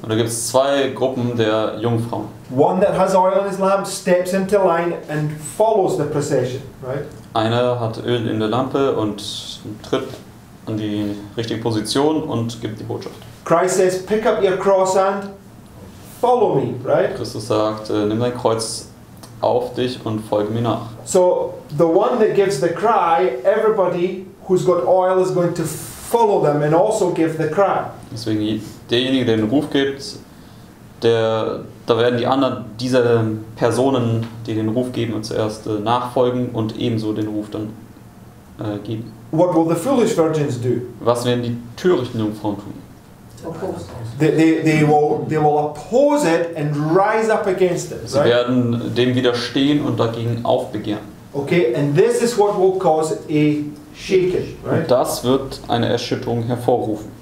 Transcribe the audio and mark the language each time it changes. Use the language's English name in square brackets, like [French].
[German] Und da gibt es zwei Gruppen der Jungfrauen. [English] One that has oil in his lamp steps into line and follows the procession, right? [German] Eine hat Öl in der Lampe und tritt an die richtige Position und gibt die Botschaft. [English] Christ says, pick up your cross and follow me, right? [German] Christus sagt, nimm dein Kreuz auf dich und folge mir nach. [English] So the one that gives the cry, everybody who's got oil is going to follow them and also give the cry. [German] Deswegen derjenige, der den Ruf gibt, da werden die anderen dieser Personen, die den Ruf geben, zuerst nachfolgen und ebenso den Ruf dann geben. [English] What will the foolish virgins do? [German] Was werden die törichten Jungfrauen tun? [English] They will oppose it and rise up against it. [German] Sie werden dem widerstehen und dagegen aufbegehren. [English] Okay, and this is what will cause a shaking, right? [German] Und das wird eine Erschütterung hervorrufen.